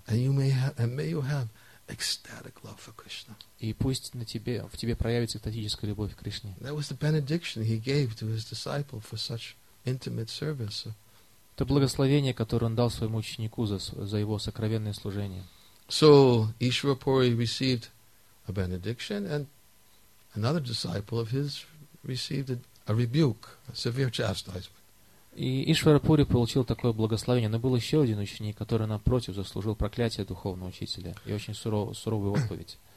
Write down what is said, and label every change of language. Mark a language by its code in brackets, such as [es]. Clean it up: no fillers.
[en] And may you have ecstatic love for Krishna. [ru] И пусть в тебе проявится экстатическая любовь к Кришне. [en] That was the benediction he gave to his disciple for such intimate service. [ru] Это благословение, которое он дал своему ученику за его сокровенное служение. [en] So Ишварапури received a benediction, and another disciple of his received a rebuke, a severe chastisement. [ru] И Ишварапури получил такое благословение, но был еще один ученик, который напротив заслужил проклятие духовного учителя и очень суровую отповедь.